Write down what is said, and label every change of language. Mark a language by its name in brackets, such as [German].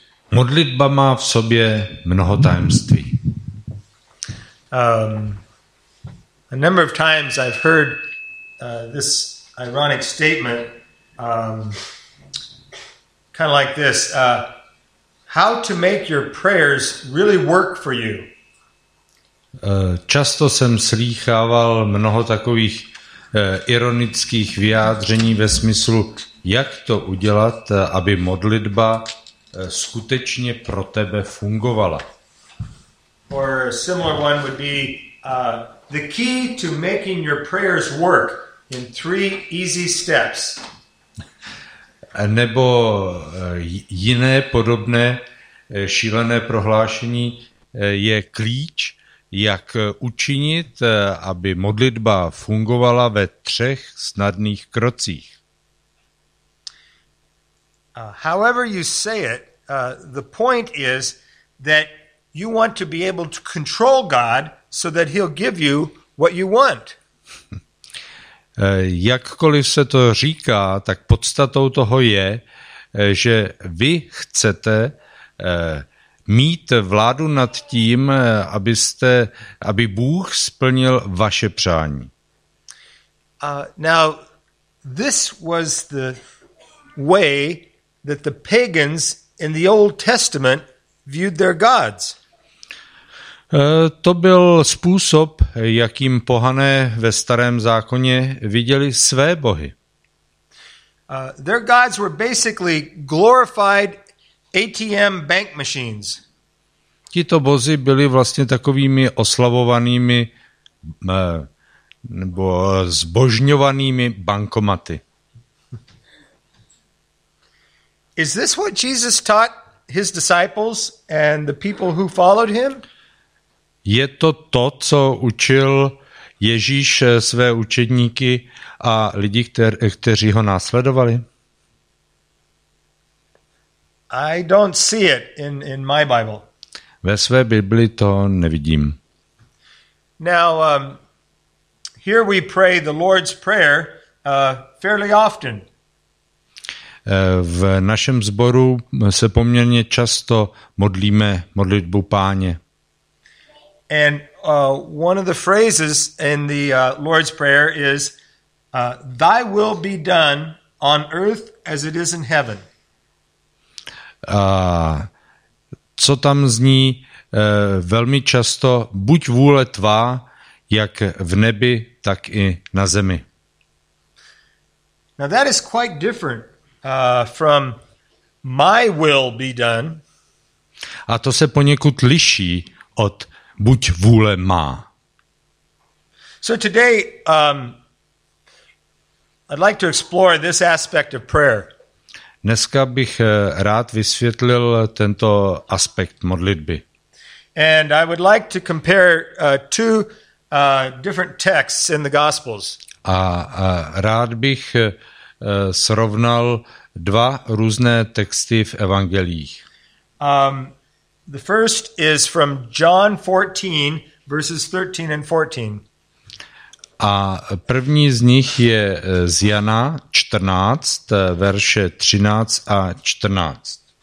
[Czech] Modlitba má v sobě mnoho tajemství. [English] A number of times I've heard this ironic statement kind of like this, how to make your prayers really work for you. [Czech] Často jsem slýchával mnoho takových ironických vyjádření ve smyslu, jak to udělat, aby modlitba skutečně pro tebe fungovala. [English] Or a similar one would be the key to making your prayers work in three easy steps. [Czech] Nebo jiné podobné šílené prohlášení je klíč, jak učinit, aby modlitba fungovala ve třech snadných krocích. [English] However you say it, the point is that you want to be able to control God so that he'll give you what you want. [Czech] Jakkoliv se to říká, tak podstatou toho je, že vy chcete mít vládu nad tím, aby Bůh splnil vaše přání. [English] Now, this was the way that the pagans in the Old Testament viewed their gods. [Czech] To byl způsob, jakým pohané ve Starém zákoně viděli své bohy. [English] Their gods were basically glorified ATM bank machines. [Czech] Tito bozy byli vlastně takovými oslavovanými nebo zbožňovanými bankomaty. [English] Is this what Jesus taught his disciples and the people who followed him? [Czech] Je to to, co učil Ježíš své učedníky a lidi, kteří ho následovali? [English] I don't see it in my Bible. [Czech] Ve své Bibli to nevidím. [English] Now, here we pray the Lord's Prayer fairly often. [Czech] V našem sboru se poměrně často modlíme modlitbu Páně. [English] And one of the phrases in the Lord's Prayer is thy will be done on earth as it is in heaven. [Czech] Co tam zní velmi často, buď vůle tvá, jak v nebi, tak i na zemi. [English] Now that is quite different from my will be done. [Czech] A to se poněkud liší od buď vůle má. [English] So today I'd like to explore this aspect of prayer. [Czech] Dneska bych rád vysvětlil tento aspekt modlitby. [English] And I would like to compare two different texts in the Gospels. [Czech] A rád bych srovnal dva různé texty v evangeliích. [English] The first is from John 14, verses 13 and 14. [Czech] A první z nich je z Jana 14, verše 13 a 14.